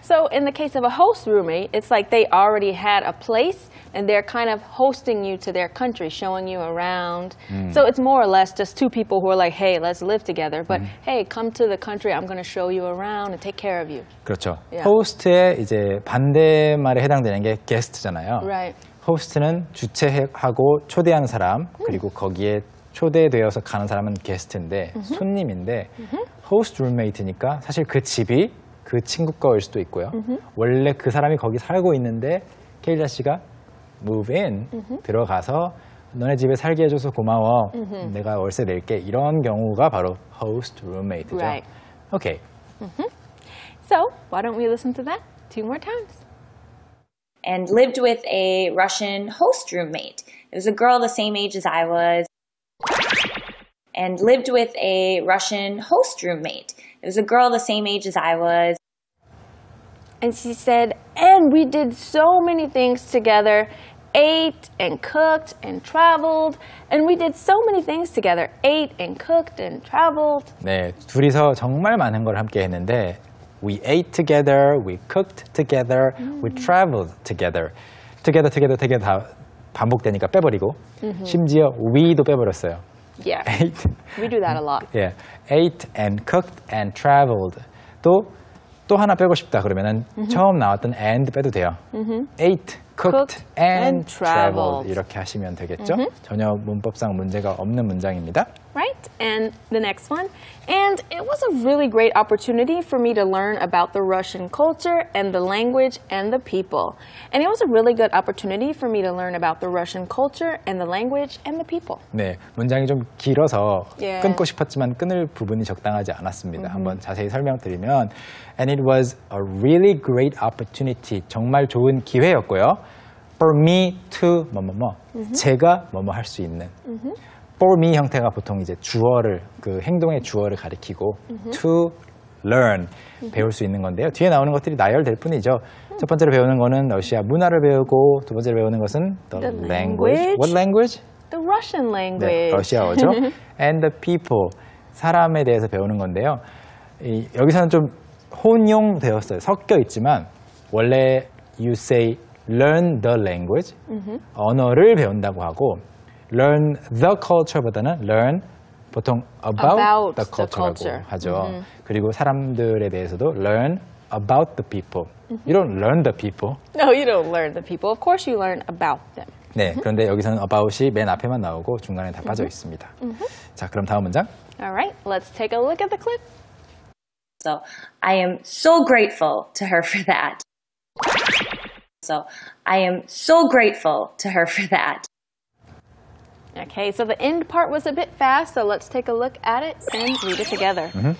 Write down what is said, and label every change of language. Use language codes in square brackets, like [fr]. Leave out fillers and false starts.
[en] So in the case of a host roommate, it's like they already had a place and they're kind of hosting you to their country, showing you around. Mm. So it's more or less just two people who are like, hey, let's live together. But mm. hey, come to the country. I'm going to show you around and take care of you. [ko] 그렇죠. [en] Yeah. [ko] host의 이제 반대말에 해당되는 게 guest잖아요. [en] Right. [ko] 호스트는 주최하고 초대한 사람, 그리고 거기에 초대되어서 가는 사람은 게스트인데, 손님인데 호스트 룸메이트니까 사실 그 집이 그 친구 거일 수도 있고요. 원래 그 사람이 거기 살고 있는데 케일자 씨가 [en] move in, [ko] 들어가서 너네 집에 살게 해줘서 고마워, 내가 월세 낼게, 이런 경우가 바로 호스트 룸메이트죠. [en] Right. Okay. So, why don't we listen to that two more times? And lived with a Russian host roommate. It was a girl the same age as I was. And lived with a Russian host roommate. It was a girl the same age as I was. And she said, and we did so many things together. Ate and cooked and traveled. And we did so many things together. Ate and cooked and traveled. [ko] 네, 둘이서 정말 많은 걸 함께 했는데 [en] We ate together, we cooked together, we traveled together. Together, together, together [ko] 다 반복되니까 빼버리고 심지어 we도 빼버렸어요. [en] Yeah, ate. We do that a lot. Yeah, ate and cooked and traveled. [ko] 또 하나 빼고 싶다 그러면은 처음 나왔던 and 빼도 돼요. [en] Ate, cooked, and traveled. [ko] 이렇게 하시면 되겠죠? 전혀 문법상 문제가 없는 문장입니다. [en] Right, and the next one. And it was a really great opportunity for me to learn about the Russian culture and the language and the people. And it was a really good opportunity for me to learn about the Russian culture and the language and the people. [ko] 네, 문장이 좀 길어서 끊고 싶었지만 끊을 부분이 적당하지 않았습니다. 한번 자세히 설명드리면 [en] And it was a really great opportunity. [ko] 정말 좋은 기회였고요. [en] For me to [ko] 뭐뭐뭐 제가 뭐뭐 할 수 있는 [en] For me [ko] 형태가 보통 이제 주어를 그 행동의 주어를 가리키고 [en] to learn [ko] 배울 수 있는 건데요. 뒤에 나오는 것들이 나열될 뿐이죠. 첫 번째로 배우는 거는 러시아 문화를 배우고 두 번째로 배우는 것은 [en] the language. What language? The Russian language. [ko] 네, 러시아어죠. [en] And the people [ko] 사람에 대해서 배우는 건데요. 여기서는 좀 혼용되었어요. 섞여 있지만 원래 [en] you say learn the language [ko] 언어를 배운다고 하고 [en] learn the culture [ko] 보다는 learn 보통 [en] about the culture [ko] 라고 [en] the culture. [ko] 하죠. 그리고 사람들에 대해서도 [en] learn about the people. You don't learn the people. No, you don't learn the people. Of course you learn about them. [ko] 네, 그런데 여기서는 about이 맨 앞에만 나오고 중간에 다 빠져 있습니다. 자, 그럼 다음 문장. [en] All right, let's take a look at the clip. So, I am so grateful to her for that. So, I am so grateful to her for that. Okay, so the end part was a bit fast, so let's take a look at it and read it together.